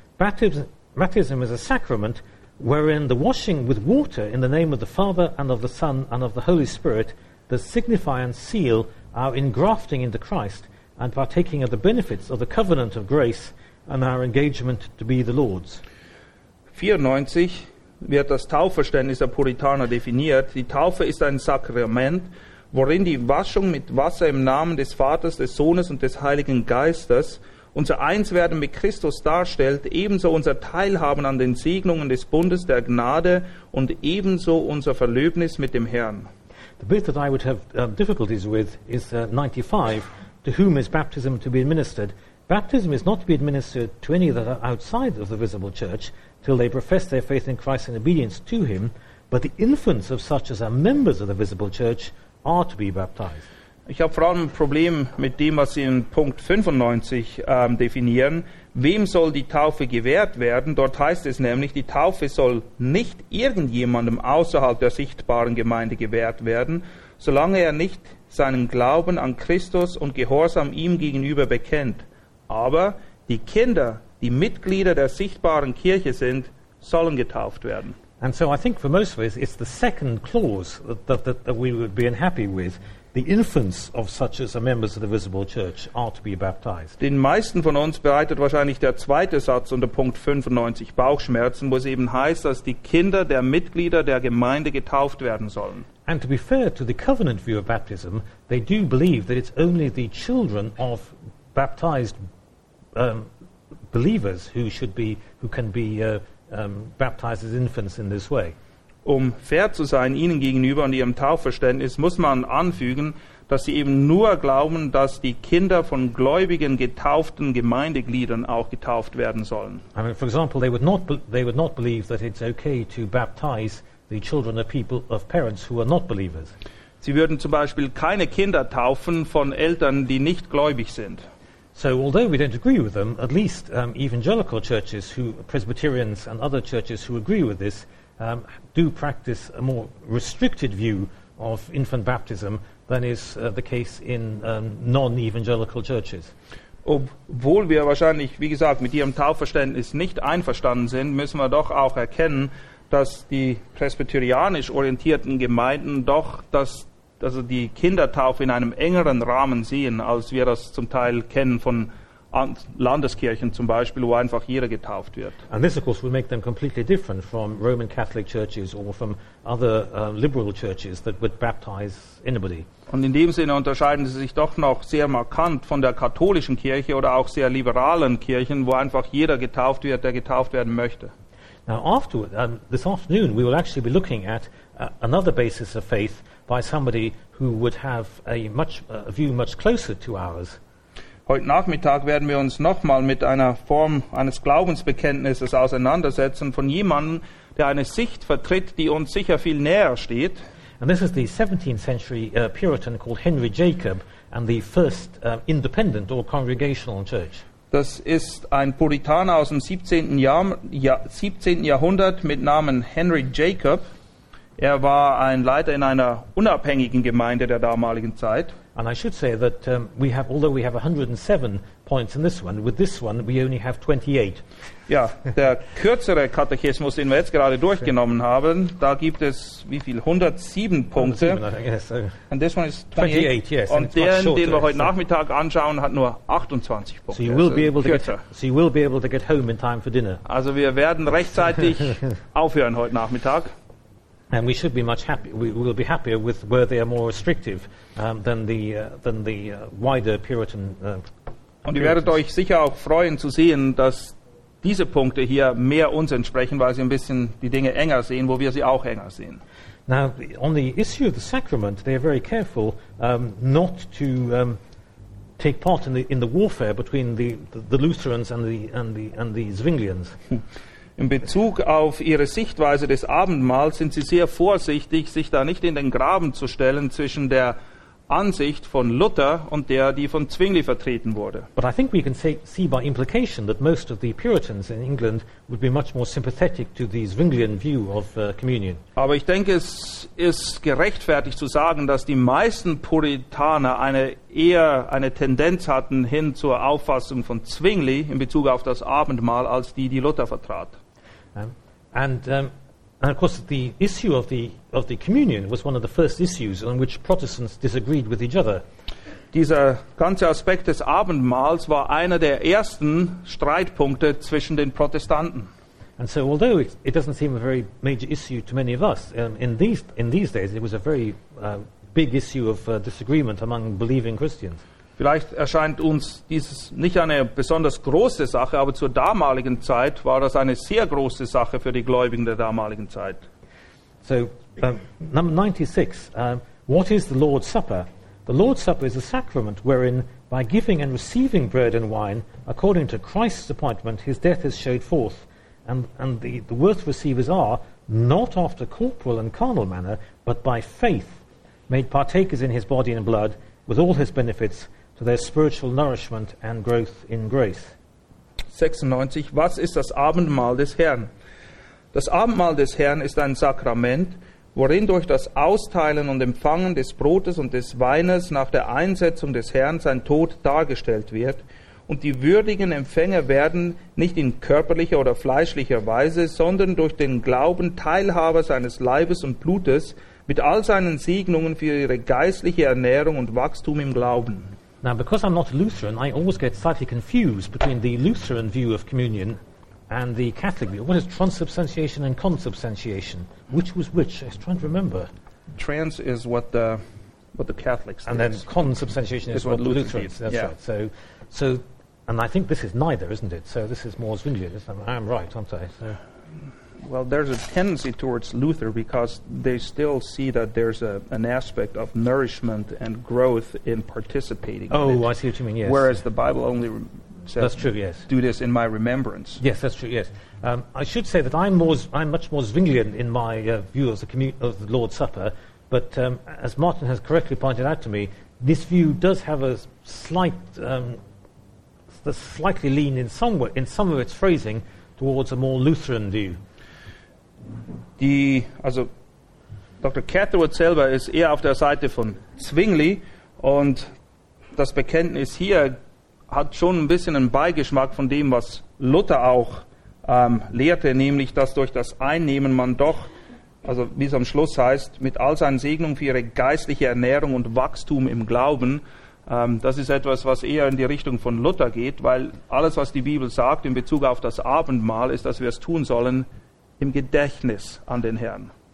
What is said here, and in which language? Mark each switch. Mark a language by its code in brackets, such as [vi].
[en] Baptism is a sacrament wherein the washing with water in the name of the Father and of the Son and of the Holy Spirit does signify and seal our engrafting into Christ and partaking of the benefits of the covenant of grace and our engagement to be the Lord's. [de] 94 wird das Taufverständnis der Puritaner definiert. Die Taufe ist ein Sakrament, worin die Waschung mit Wasser im Namen des Vaters, des Sohnes und des Heiligen Geistes unser Einswerden mit Christus darstellt, ebenso unser Teilhaben an den Segnungen des Bundes der Gnade und ebenso unser Verlöbnis mit dem Herrn. [en] The bit that I would have difficulties with is 95, to whom is baptism to be administered? Baptism is not to be administered to any that are outside of the visible church till they profess their faith in Christ and obedience to him, but the infants of such as are members of the visible church are to be baptized. [de] Ich habe vor allem ein Problem mit dem, was Sie in Punkt 95 definieren. Wem soll die Taufe gewährt werden? Dort heißt es nämlich, die Taufe soll nicht irgendjemandem außerhalb der sichtbaren Gemeinde gewährt werden, solange er nicht seinen Glauben an Christus und Gehorsam ihm gegenüber bekennt. Aber die Kinder, die Mitglieder der sichtbaren Kirche sind, sollen getauft werden. [en] And so I think for most of us it's the second clause that we would be unhappy with. The infants of such as are members of the visible church are to be baptized. [de] Den meisten von uns bereitet wahrscheinlich der zweite Satz unter Punkt 95 Bauchschmerzen, wo es eben heißt, dass die Kinder der Mitglieder der Gemeinde getauft werden sollen. [en] And to be fair to the covenant view of baptism, they do believe that it's only the children of baptized believers who can be baptized as infants in this way. [de] Um fair zu sein ihnen gegenüber und ihrem Taufverständnis, muss man anfügen, dass sie eben nur glauben, dass die Kinder von gläubigen getauften Gemeindegliedern auch getauft werden sollen. [en] I mean, for example, they would not believe that it's okay to baptize the children of people of parents who are not believers. [de] Sie würden zum Beispiel keine Kinder taufen von Eltern, die nicht gläubig sind. [en] So although we don't agree with them, at least evangelical churches, who Presbyterians and other churches who agree with this, do practice a more restricted view of infant baptism than is the case in non-evangelical churches. [de] Obwohl wir wahrscheinlich, wie gesagt, mit ihrem Taufverständnis nicht einverstanden sind, müssen wir doch auch erkennen, dass die presbyterianisch orientierten Gemeinden doch also die Kindertaufe in einem engeren Rahmen sehen, als wir das zum Teil kennen von Landeskirchen zum Beispiel, wo einfach jeder getauft wird. [en] And this, of course, would make them completely different from Roman Catholic churches or from other liberal churches that would baptize anybody. [de] Und in dem Sinne unterscheiden sie sich doch noch sehr markant von der katholischen Kirche oder auch sehr liberalen Kirchen, wo einfach jeder getauft wird, der getauft werden möchte. [en] Now, afterward, this afternoon, we will actually be looking at another basis of faith by somebody who would have a view much closer to ours. [de] Heute Nachmittag werden wir uns nochmal mit einer Form eines Glaubensbekenntnisses auseinandersetzen von jemandem, der eine Sicht vertritt, die uns sicher viel näher steht. [en] And this is the 17th century Puritan called Henry Jacob and the first independent or congregational church. [de] Das ist ein Puritaner aus dem 17. Jahrhundert mit Namen Henry Jacob. Er war ein Leiter in einer unabhängigen Gemeinde der damaligen Zeit. [en] And I should say that although we have 107 points in this one, with this one we only have 28. [de] Ja, der kürzere Katechismus, den wir jetzt gerade durchgenommen haben, da gibt es, wie viel, 107 Punkte. [en] 107, I guess, and this one is 28. Yes. [de] Und der, den wir heute Nachmittag anschauen, hat nur 28 Punkte. [en] So you will be able to get home in time for dinner. [de] Also wir werden rechtzeitig aufhören heute Nachmittag. [en] And we should be much happy. We will be happier with where they are more restrictive than the wider Puritan. [de] Und ihr werdet euch sicher auch freuen zu sehen, dass diese Punkte hier mehr uns entsprechen, weil sie ein bisschen die Dinge enger sehen, wo wir sie auch enger sehen. [en] Now, on the issue of the sacrament, they are very careful not to take part in the warfare between the Lutherans and the Zwinglians. [de] In Bezug auf ihre Sichtweise des Abendmahls sind sie sehr vorsichtig, sich da nicht in den Graben zu stellen zwischen der Ansicht von Luther und der, die von Zwingli vertreten wurde. [en] But I think we can see by implication that most of the Puritans in England would be much more sympathetic to the Zwinglian view of communion. [de] Aber ich denke, es ist gerechtfertigt zu sagen, dass die meisten Puritaner eine Tendenz hatten hin zur Auffassung von Zwingli in Bezug auf das Abendmahl als die Luther vertrat. [en] And of course, the issue of the communion was one of the first issues on which Protestants disagreed with each other. [de] dieser ganze Aspekt des Abendmahls war einer der ersten Streitpunkte zwischen den Protestanten. [en] And so although it doesn't seem a very major issue to many of us, in these days it was a very big issue of disagreement among believing Christians. [de] Vielleicht erscheint uns dieses nicht eine besonders große Sache, aber zur damaligen Zeit war das eine sehr große Sache für die Gläubigen der damaligen Zeit. [en] So, number 96, what is the Lord's Supper? The Lord's Supper is a sacrament wherein, by giving and receiving bread and wine, according to Christ's appointment, his death is showed forth. And the worth receivers are, not after corporal and carnal manner, but by faith, made partakers in his body and blood, with all his benefits, to their spiritual nourishment and growth in grace. [de] 96. Was ist das Abendmahl des Herrn? Das Abendmahl des Herrn ist ein Sakrament, worin durch das Austeilen und Empfangen des Brotes und des Weines nach der Einsetzung des Herrn sein Tod dargestellt wird. Und die würdigen Empfänger werden nicht in körperlicher oder fleischlicher Weise, sondern durch den Glauben Teilhaber seines Leibes und Blutes mit all seinen Segnungen für ihre geistliche Ernährung und Wachstum im Glauben. [en] Now, because I'm not a Lutheran, I always get slightly confused between the Lutheran view of communion and the Catholic view. What is transubstantiation and consubstantiation? Which was which? I was trying to remember. Trans is what the Catholics think. And then consubstantiation is what the Lutherans think. Yeah. Right. So, and I think this is neither, isn't it? So this is more Zwingli. I am right, aren't I? So. Well, there's a tendency towards Luther because they still see that there's an aspect of nourishment and growth in participating. Oh, in I see what you mean, yes. Whereas the Bible only says, that's true, yes. Do this in my remembrance. Yes, that's true, yes. I should say that I'm much more Zwinglian in my view of the Lord's Supper, but as Martin has correctly pointed out to me, this view does have a slightly lean in some of its phrasing towards a more Lutheran view. [de] Also Dr. Catherwood selber ist eher auf der Seite von Zwingli und das Bekenntnis hier hat schon ein bisschen einen Beigeschmack von dem, was Luther auch lehrte, nämlich dass durch das Einnehmen man doch, also wie es am Schluss heißt, mit all seinen Segnungen für ihre geistliche Ernährung und Wachstum im Glauben, das ist etwas, was eher in die Richtung von Luther geht, weil alles, was die Bibel sagt in Bezug auf das Abendmahl, ist, dass wir es tun sollen, im Gedächtnis an den Herrn.